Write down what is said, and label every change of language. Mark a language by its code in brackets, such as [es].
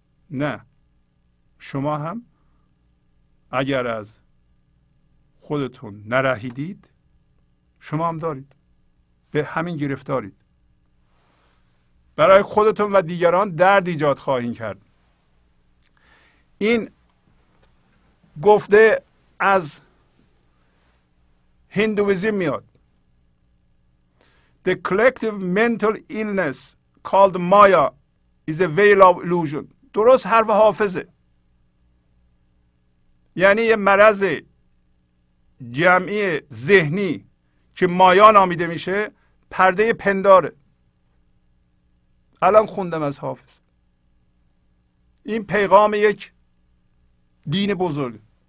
[fa] نه، شما هم اگر از خودتون نرهیدید، شما هم دارید، به همین گرفتارید. برای خودتون و دیگران درد ایجاد خواهید کرد. این گفته از هندویزم میاد. [en] The collective mental illness called Maya is a veil of illusion. [fa] درست حرف حافظه. یعنی یه مرض جمعی ذهنی که مایا نامیده میشه، پرده پنداره. الان خوندم از حافظ. این پیغام یک دین بزرگ.